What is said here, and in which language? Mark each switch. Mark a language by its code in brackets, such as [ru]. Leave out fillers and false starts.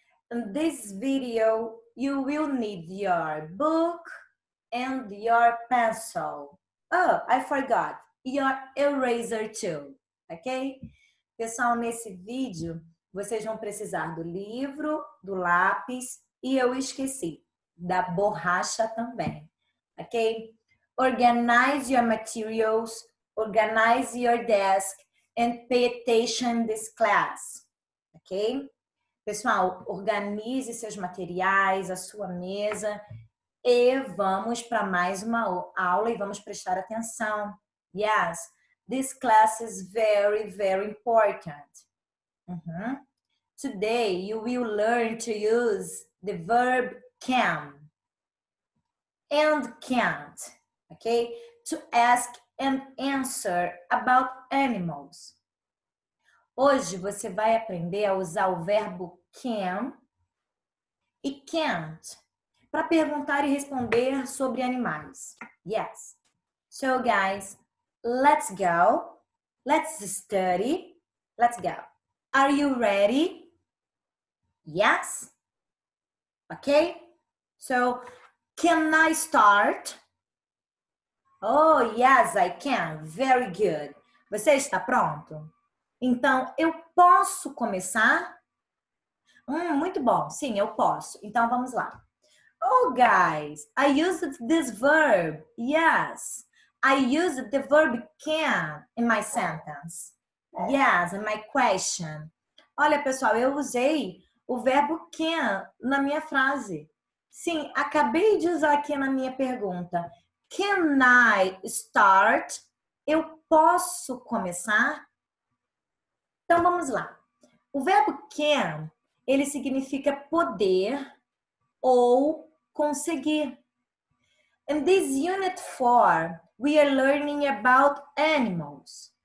[en] In this video, you will need your book and your pencil. Oh, I forgot. Your eraser too. Okay? [pt] Pessoal, nesse vídeo, vocês vão precisar do livro, do lápis e eu esqueci, da borracha também, ok? [en] Organize your materials, organize your desk and pay attention in this class, ok? [pt] Pessoal, organize seus materiais, a sua mesa e vamos para mais uma aula e vamos prestar atenção. [en] Yes, this class is very, very important. Uhum. Today, you will learn to use the verb can and can't, okay? To ask and answer about animals. [pt] Hoje, você vai aprender a usar o verbo can e can't para perguntar e responder sobre animais. [en] Yes. So, guys, let's go. Let's study. Let's go. Are you ready? Yes. Okay. So, can I start? Oh, yes, I can. Very good. [pt] Você está pronto? Então, eu posso começar? Muito bom. Sim, eu posso. Então, vamos lá. [en] Oh, guys, I used this verb. Yes. I used the verb can in my sentence. Yes, in my question. [pt] Olha, pessoal, eu usei o verbo can na minha frase. Sim, acabei de usar aqui na minha pergunta. [en] Can I start? [pt] Eu posso começar? Então, vamos lá. O verbo can, ele significa poder ou conseguir. [en] In this unit 4, we are learning about animals.